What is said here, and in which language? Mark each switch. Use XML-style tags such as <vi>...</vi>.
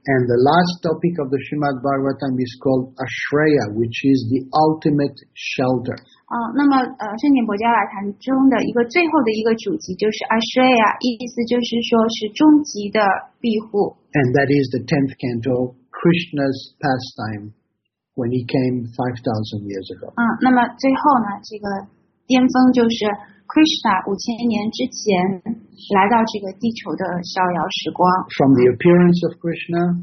<en>And the last topic of the Srimad Bhagavatam is called Ashraya, which is the ultimate shelter.</en> <zh>那么圣典博加瓦坛中的一个最后的一个主题就是 Ashraya, 意思就是说是终极的庇护。</zh> <en>And that is the 10th canto, Krishna's pastime when he came 5,000 years ago.</en> <zh>那么最后呢，这个巅峰就是 Krishna 5,000 年之前来到这个地球的逍遥时光。</zh> <en>From the appearance of Krishna,</en>